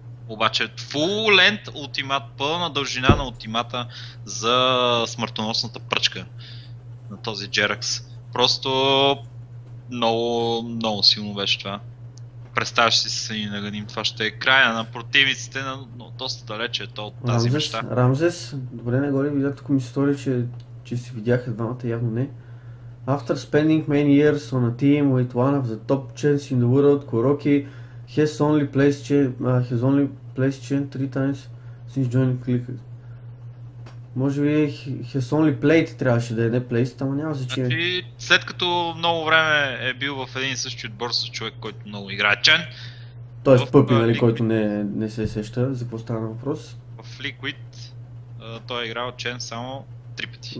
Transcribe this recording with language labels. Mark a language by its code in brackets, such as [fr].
[bg] Обаче фул ленд ултимат, пълна дължина на ултимата за смъртоносната пръчка на този Джеракс. Просто много, много силно беше това. Представяш си се и наганим, това ще е края на противниците, но доста далече е то от тази мечта. Рамзес, добре, не горе видя, тук ми се стори, че си видяха двамата, явно не. [en] After spending many years on a team with one of the top chains in the world, Kuroki has only placed chain 3 times since joining Clique. [bg] Може би [en] has only played [bg] трябваше да е, не placed, ама няма значение. Значи след като много време е бил в един и същи отбор с човек, който много играе чен. Тоест Пъпи, нали, който не се сеща за какво стана въпрос. В Liquid той е играл чен само 3 пъти.